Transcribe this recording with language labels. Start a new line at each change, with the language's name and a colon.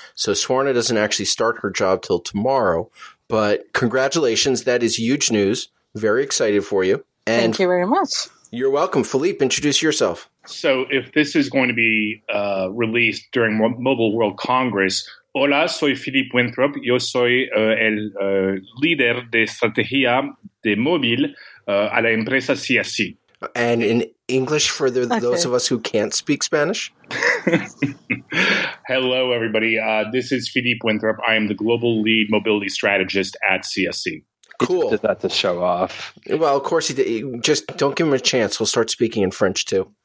English: So Swarna doesn't actually start her job till tomorrow, but congratulations. That is huge news. Very excited for you. And thank you very much. You're welcome. Philippe, introduce yourself. So if this is going to be released during Mobile World Congress,
Spanish: hola, soy Philippe Winthrop. Yo soy el líder de estrategia de móvil a la empresa CSC.
English: And in English for those of us who can't speak Spanish? Hello, everybody. This is Philippe Winthrop. I am the global lead mobility strategist at CSC. Cool. Did that to show off. Well, of course he did. Just don't give him a chance. He'll start speaking in French too.